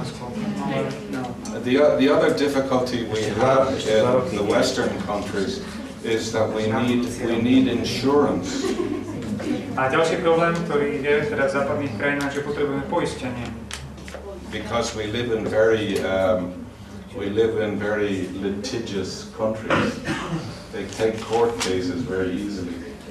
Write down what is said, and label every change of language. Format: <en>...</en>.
<en>The other difficulty we have in the Western countries is that we need insurance.</en> <sk>A ďalší problém, ktorý je teda v západných krajinách, že potrebujeme poistenie.</sk> <en>Because we live in very litigious countries. They take court cases very easily.</en>